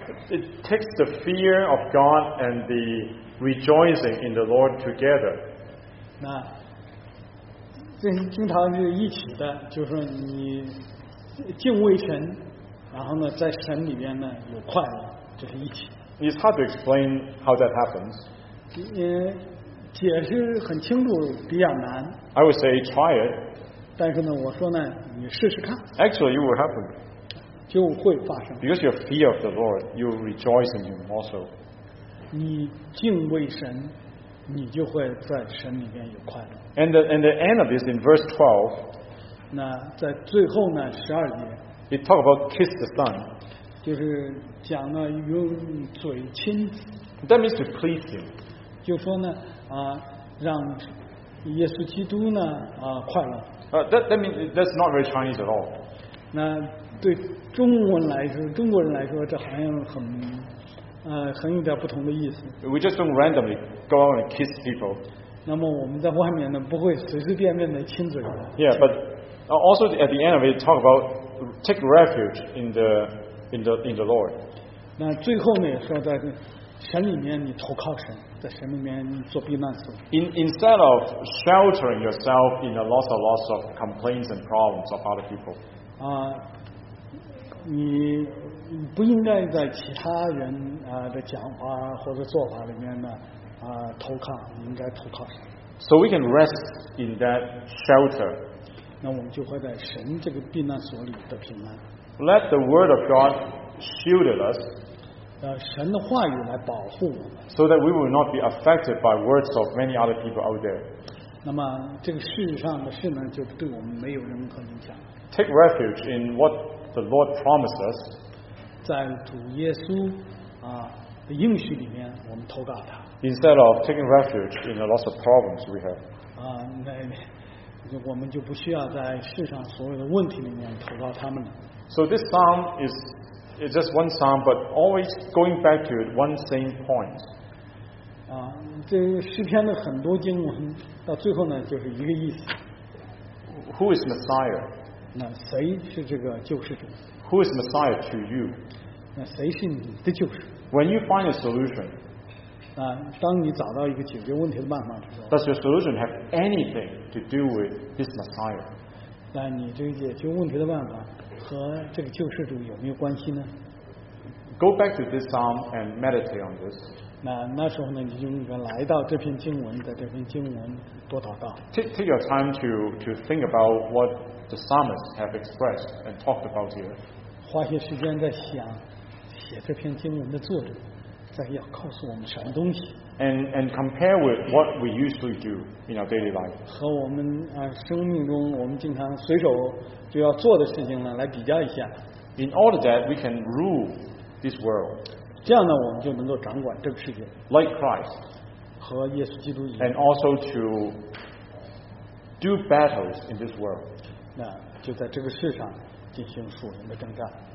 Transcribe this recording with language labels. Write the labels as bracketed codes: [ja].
[en] It takes the fear of God and the rejoicing in the Lord together. [zh] 那这经常是一起的，就是说你敬畏神，然后呢，在神里边呢有快乐，这是一起的。 [en] It's hard to explain how that happens. [zh] 解释很清楚比较难。 [en] I would say try it. [zh] 但是呢，我说呢，你试试看。 [en] Actually, it will happen. [zh] 就会发生。 [en] Because you fear of the Lord, you rejoice in Him also. [zh] 你敬畏神，你就会在神里面有快乐。 [en] And the end of this in verse 12, [zh] 那在最后呢十二节 [en] it talk about kiss the son, [zh] 就是讲呢用嘴亲子。 [en] That means to please him. [zh] 就说呢让耶稣基督呢快乐。 [en] That means that's not very Chinese at all. [zh] 那对中文来说，中国人来说，这好像很有点不同的意思。 [en] We just don't randomly go out and kiss people. [zh] 那么我们在外面呢，不会随随便便的亲嘴。 [en] Yeah, but also at the end of it, talk about take refuge in the Lord. [zh] 那最后呢，说在神里面你投靠神，在神里面做避难所。 [en] Instead of sheltering yourself in a lots of complaints and problems of other people. [zh] 你不应该在其他人的讲话或者做法里面呢投靠，你应该投靠神。 [en] So we can rest in that shelter. [zh] 那我们就会在神这个避难所里的平安。 [en] Let the word of God shield us. [zh] 神的话语来保护我们。 [en] So that we will not be affected by words of many other people out there. [zh] 那么这个世上的事呢，就对我们没有任何影响。 [en] Take refuge in what the Lord promises. [zh] 在主耶稣的应许里面，我们投靠他。 [en] Instead of taking refuge in the lots of problems we have. [zh] 那我们就不需要在世上所有的问题里面投靠他们了。 [en] So this psalm is just one psalm, but always going back to it, one same point. [zh] 这诗篇的很多经文到最后呢，就是一个意思。 [en] Who is Messiah? [zh] 那谁是这个救世主？ [en] Who is Messiah to you? [zh] 那谁是你的救世？ [en] When you find a solution, [zh] 当你找到一个解决问题的办法的时候， [en] Does your solution have anything to do with this Messiah? [zh] 那你这个解决问题的办法和这个救世主有没有关系呢？ [en] Go back to this psalm and meditate on this. [zh] 那时候呢，你就应该来到这篇经文，在这篇经文多祷告。 [en] Take your time to think about what the psalmists have expressed and talked about here. [zh] 花些时间在想写这篇经文的作者在要告诉我们什么东西。 [en] And compare with what we usually do in our daily life. [zh] 和我们生命中我们经常随手就要做的事情呢来比较一下。 [en] In order that we can rule this world. [zh] 这样呢我们就能够掌管这个世界。 [en] Like Christ. [zh] 和耶稣基督一样。 [en] And also to do battles in this world. [zh] 那就在这个世上进行属灵的征战。